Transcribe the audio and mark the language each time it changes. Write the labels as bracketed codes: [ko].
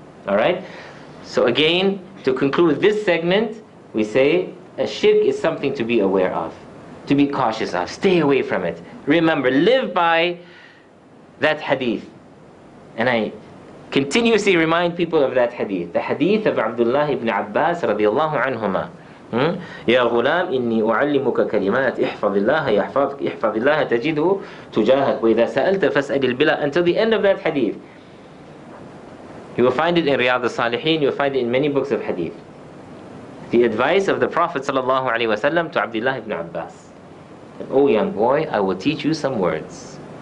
[en] Alright? So again, to conclude this segment, we say a shirk is something to be aware of, to be cautious of. Stay away from it. Remember, live by that hadith. And I continuously remind people of that hadith. The hadith of Abdullah ibn Abbas radiallahu anhumah. [ar] يا غلام إني أعلمك كلمات احفظ الله يحفظك احفظ الله تجده تجاهك وإذا سألت فاسأل البلاء. [en] Until the end of that hadith, you will find it in Riyad al-Salihin, you will find it in many books of hadith. The advice of the Prophet sallallahu alaihi wasallam to Abdullah ibn Abbas, oh young boy, I will teach you some words.